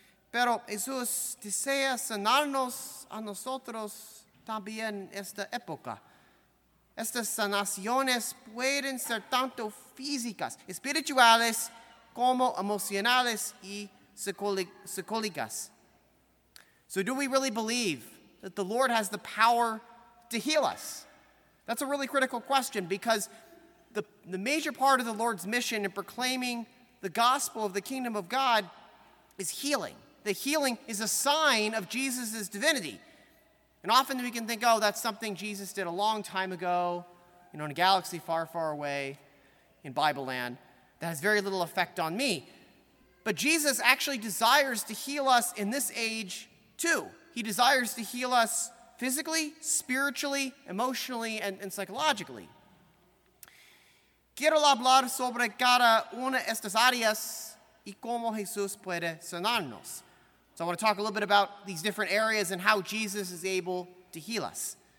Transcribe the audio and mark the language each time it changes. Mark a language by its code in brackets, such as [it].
[es] Pero Jesús desea sanarnos a nosotros también esta época. Estas sanaciones pueden ser tanto físicas, espirituales, como emocionales y psicológicas. [en] So do we really believe that the Lord has the power to heal us? That's a really critical question, because the major part of the Lord's mission in proclaiming the gospel of the kingdom of God is healing. The healing is a sign of Jesus' divinity. And often we can think, oh, that's something Jesus did a long time ago, you know, in a galaxy far, far away in Bible land, that has very little effect on me. But Jesus actually desires to heal us in this age too. He desires to heal us physically, spiritually, emotionally, and psychologically. [es] Quiero hablar sobre cada una de estas áreas y cómo Jesús puede sanarnos. [en] So I want to talk a little bit about these different areas and how Jesus is able to heal us.